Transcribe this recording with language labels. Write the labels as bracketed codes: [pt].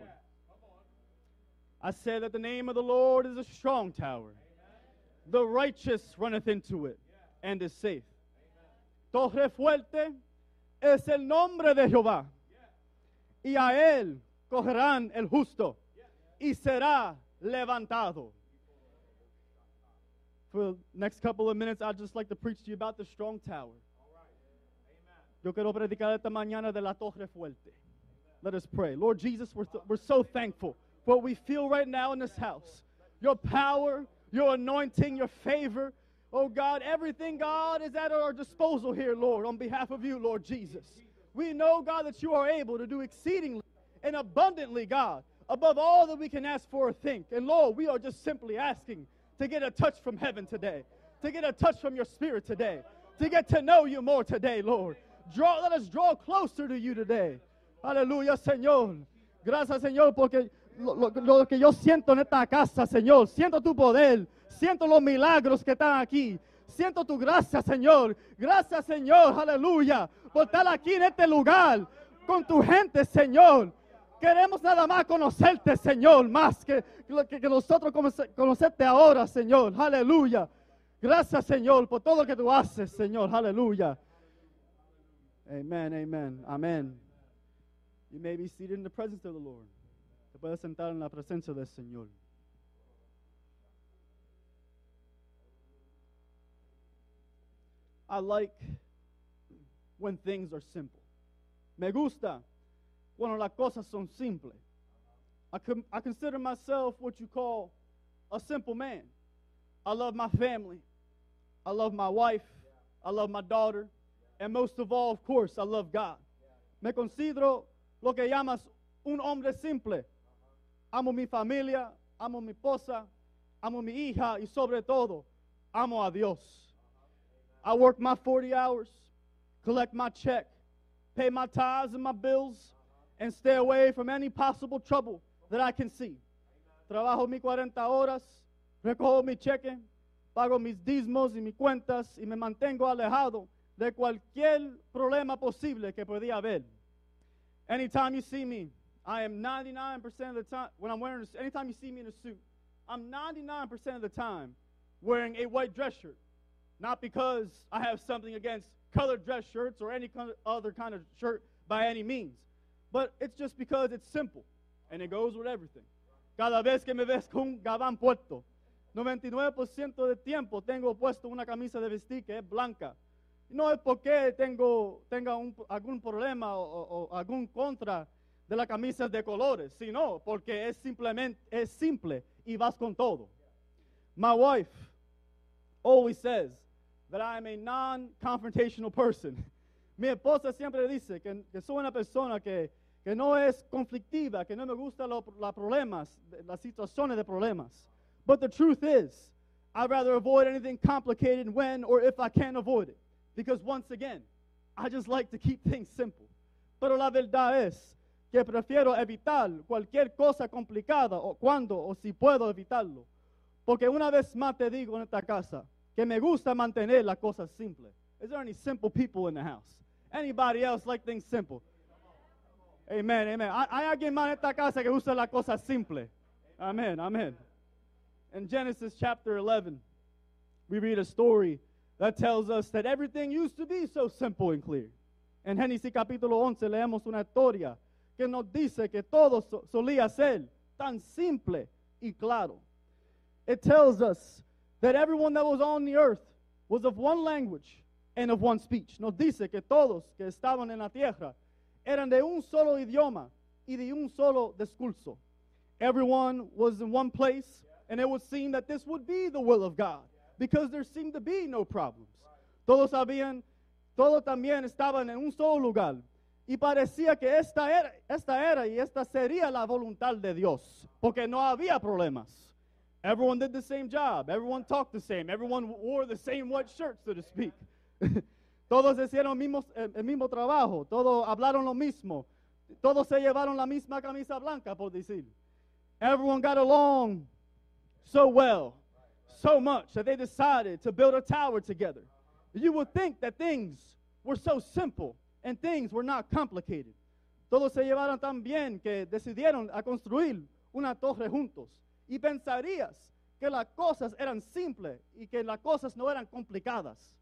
[en] Yeah. I said that the name of the Lord is a strong tower. Amen. The righteous runneth into it, yeah, and is safe. Amen. [es] Torre fuerte es el nombre de Jehová. Y a él correrán el justo, y será levantado. [en] For the next couple of minutes, I'd just like to preach to you about the strong tower. [es] Yo quiero predicar esta mañana de la torre fuerte. [en] Let us pray. Lord Jesus, we're so thankful for what we feel right now in this house. Your power, your anointing, your favor. Oh God, everything, God, is at our disposal here, Lord, on behalf of you, Lord Jesus. We know, God, that you are able to do exceedingly and abundantly, God, above all that we can ask for or think. And Lord, we are just simply asking to get a touch from heaven today, to get a touch from your spirit today, to get to know you more today, Lord. Let us draw closer to you today. [es] Hallelujah, Señor. Gracias, Señor, porque lo que yo siento en esta casa, Señor, siento tu poder, siento los milagros que están aquí. Siento tu gracia, Señor. Gracias, Señor. Aleluya. Por estar aquí en este lugar con tu gente, Señor. Queremos nada más conocerte, Señor, más que nosotros conocerte ahora, Señor. Aleluya. Gracias, Señor, por todo lo que tú haces, Señor. Aleluya. [en] Amen, amen, amen. You may be seated in the presence of the Lord. [es] Te puedes sentar en la presencia del Señor. [en] I like when things are simple. [es] Me gusta cuando las cosas son simples. [en] I consider myself what you call a simple man. I love my family. I love my wife. I love my daughter. And most of all, of course, I love God. [es] Me considero lo que llamas un hombre simple. Amo mi familia. Amo mi esposa. Amo mi hija. Y sobre todo, amo a Dios. [en] I work my 40 hours, collect my check, pay my tithes and my bills, and stay away from any possible trouble that I can see. [es] Trabajo mi 40 horas, recojo mi cheque, pago mis diezmos y mis cuentas, y me mantengo alejado de cualquier problema posible que podía haber. [en] Anytime you see me, I am 99% of the time, anytime you see me in a suit, I'm 99% of the time wearing a white dress shirt. Not because I have something against colored dress shirts or any other kind of shirt by any means. But it's just because it's simple and it goes with everything. [es] Cada vez que me ves con un gabán puesto, 99% del tiempo tengo puesto una camisa de vestir que es blanca. No es porque tenga algún problema o algún contra de la camisa de colores, sino porque es simple y vas con todo. [en] My wife always says that I am a non-confrontational person. [es] Mi esposa siempre dice que soy una persona que no es conflictiva, que no me gusta los problemas, las situaciones de problemas. [en] But the truth is, I'd rather avoid anything complicated when or if I can avoid it. Because once again, I just like to keep things simple. [es] Pero la verdad es que prefiero evitar cualquier cosa complicada o cuando o si puedo evitarlo. Porque una vez más te digo en esta casa, que me gusta mantener las cosas simples. [en] Is there any simple people in the house? Anybody else like things simple? Amen, amen. [es] Hay alguien más en esta casa que usa las cosas simples. [en] Amen, amen. In Genesis chapter 11, we read a story that tells us that everything used to be so simple and clear. [es] En Génesis capítulo 11 leemos una historia que nos dice que todo solía ser tan simple y claro. [en] It tells us that everyone that was on the earth was of one language and of one speech. [es] Nos dice que todos que estaban en la tierra eran de un solo idioma y de un solo discurso. [en] Everyone was in one place, yeah, And it would seem that this would be the will of God, because there seemed to be no problems. [es] Todos habían, todos también estaban en un solo lugar. Y parecía que esta era y esta sería la voluntad de Dios, porque no había problemas. [en] Everyone did the same job. Everyone talked the same. Everyone wore the same white shirt, so to speak. [es] Todos hicieron el mismo trabajo. Todos hablaron lo mismo. Todos se llevaron la misma camisa blanca, por decir. [en] Everyone got along so well, so much, that they decided to build a tower together. You would think that things were so simple and things were not complicated. [es] Todos se llevaron tan bien que decidieron a construir una torre juntos. Y pensarías que las cosas eran simples y que las cosas no eran complicadas.